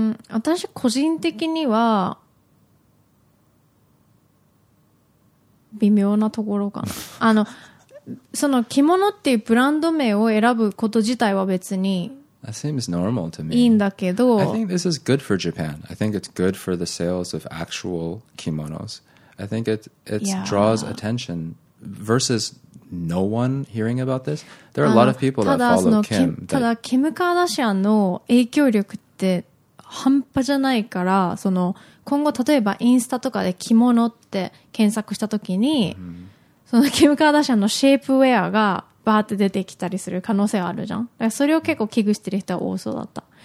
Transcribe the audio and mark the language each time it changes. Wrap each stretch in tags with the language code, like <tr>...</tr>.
<ja>私個人的には微妙なところかな。あのその着物っていうブランド名を選ぶこと自体は別に</ja> <en>That seems normal to me.</en> <ja>いいんだけど</ja> <en>I think this is good for Japan. I think it's good for the sales of actual kimonos. I think it draws attention versus no one hearing about this. There are a lot of people that follow Kim.</en> <ja>ただキム・カーダシアンの影響力ってで半端じゃないからその今後例えばインスタとかで着物って検索したときに、うん、そのキム・カーダシアンのシェイプウェアがバーって出てきたりする可能性はあるじゃん。だからそれを結構危惧してる人は多そうだった。</ja>